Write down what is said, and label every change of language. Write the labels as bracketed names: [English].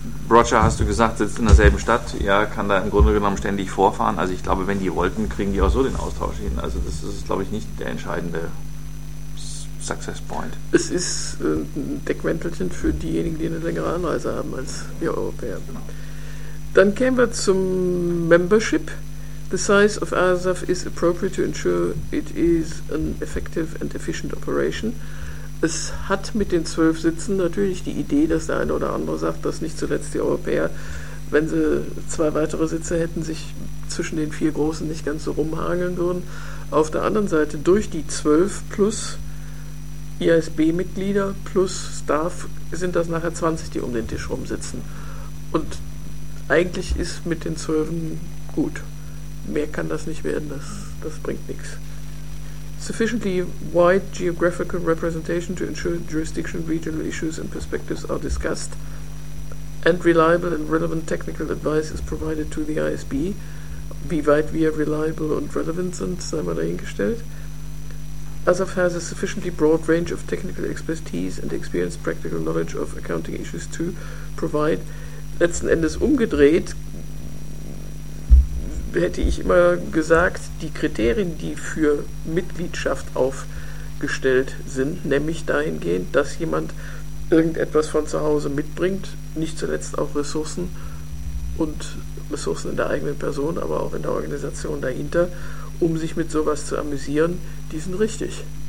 [German] Roger, hast du gesagt, sitzt in derselben Stadt, ja, kann da im Grunde genommen ständig vorfahren. Also ich glaube, wenn die wollten, kriegen die auch so den Austausch hin. Also das ist, glaube ich, nicht der entscheidende Success Point. Es ist ein Deckmäntelchen für diejenigen, die eine längere Anreise haben als wir Europäer. Dann kämen wir zum Membership. [English] The size of ASAF is appropriate to ensure it is an effective and efficient operation. [German] Es hat mit den 12 Sitzen natürlich die Idee, dass der eine oder andere sagt, dass nicht zuletzt die Europäer, wenn sie 2 weitere Sitze hätten, sich zwischen den 4 Großen nicht ganz so rumhageln würden. Auf der anderen Seite, durch die 12 plus IASB-Mitglieder plus Staff sind das nachher 20, die um den Tisch rumsitzen. Und eigentlich ist mit den 12 gut. Mehr kann das nicht werden, das bringt nichts. [English] Sufficiently wide geographical representation to ensure jurisdiction, regional issues and perspectives are discussed and reliable and relevant technical advice is provided to the ISB. [German] Wie weit wir reliable und relevant sind, sei mal dahingestellt. [English] ASAF has a sufficiently broad range of technical expertise and experienced practical knowledge of accounting issues to provide. [German] Letzten Endes umgedreht, hätte ich immer gesagt, die Kriterien, die für Mitgliedschaft aufgestellt sind, nämlich dahingehend, dass jemand irgendetwas von zu Hause mitbringt, nicht zuletzt auch Ressourcen und Ressourcen in der eigenen Person, aber auch in der Organisation dahinter, um sich mit sowas zu amüsieren, die sind richtig.